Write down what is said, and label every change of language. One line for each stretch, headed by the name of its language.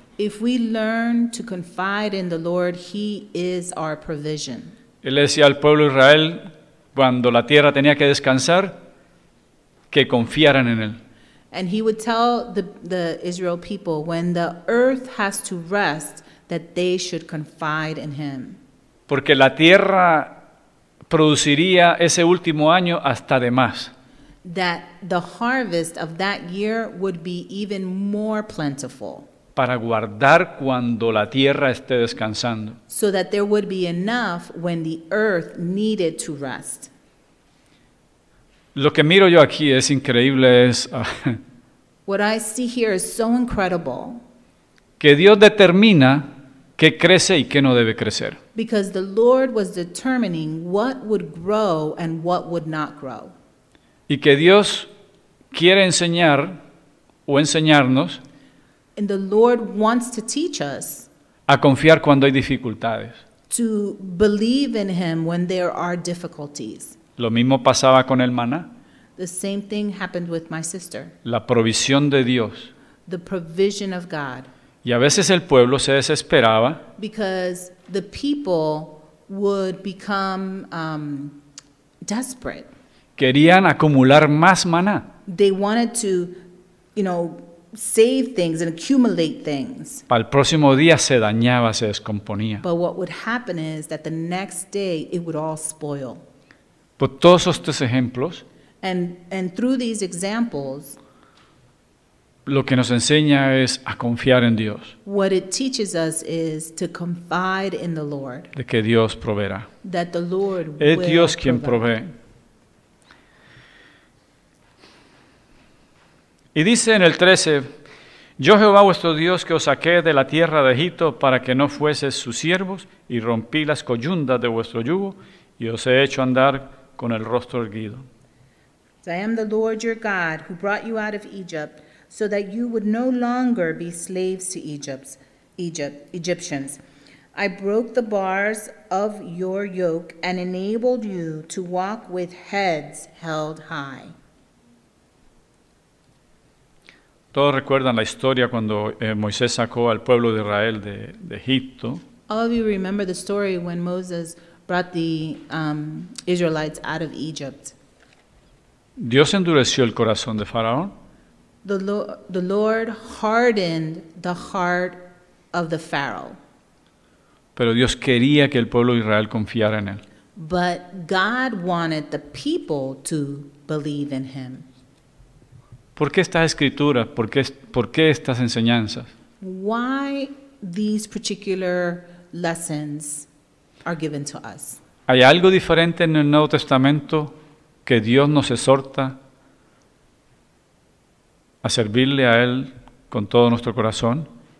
English: If we learn to confide in the Lord, He is our provision.
Spanish: Él decía al pueblo de Israel, cuando la tierra tenía que descansar, que confiaran en Él.
English: And He would tell the Israel people, when the earth has to rest, that they should confide in Him.
Spanish: Porque la tierra produciría ese último año hasta de más.
English: That the harvest of that year would be even more plentiful.
Spanish: Para guardar cuando la tierra esté descansando.
English: So that there would be enough when the earth needed to rest.
Spanish: Lo que miro yo aquí es increíble, es
English: What I see here is so incredible.
Spanish: Que Dios determina qué crece y qué no debe crecer.
English: Because the Lord was determining what would grow and what would not grow.
Spanish: Y que Dios quiere enseñar o enseñarnos.
English: And the Lord wants to teach us.
Spanish: A confiar cuando hay dificultades.
English: To believe in Him when there are difficulties.
Spanish: Lo mismo pasaba con el maná.
English: The same thing happened with my sister.
Spanish: La provisión de Dios.
English: The provision of God.
Spanish: Y a veces el pueblo se desesperaba.
English: Because the people would become desperate.
Spanish: Querían acumular más maná.
English: They wanted to, you know, save things and accumulate things.
Spanish: Para el próximo día se dañaba, se descomponía.
English: But what would happen is that the next day it would all spoil.
Spanish: Por todos estos ejemplos.
English: And through these examples.
Spanish: Lo que nos enseña es a confiar en Dios.
English: What it teaches us is to confide in the Lord.
Spanish: De que Dios proveerá.
English: That the Lord will provide.
Spanish: Es Dios quien provee. Y dice en el 13, Yo Jehová vuestro Dios que os saqué de la tierra de Egipto para que no fueses sus siervos y rompí las coyundas de vuestro yugo y os he hecho andar con el rostro erguido.
English: I am the Lord your God who brought you out of Egypt so that you would no longer be slaves to Egyptians. I broke the bars of your yoke and enabled you to walk with heads held high.
Spanish: Todos recuerdan la historia cuando Moisés sacó al pueblo de Israel de Egipto.
English: All of you remember the story when Moses brought the Israelites out of Egypt.
Spanish: Dios endureció el corazón de Faraón.
English: The Lord hardened the heart of the Pharaoh.
Spanish: Pero Dios quería que el pueblo de Israel confiara en él.
English: But God wanted the people to believe in him.
Spanish: ¿Por qué estas escrituras? ¿Por qué estas enseñanzas?
English: Why these particular lessons are given to us?
Spanish: ¿Hay algo diferente en el Nuevo Testamento que Dios nos exhorta a servirle a Él con todo nuestro corazón?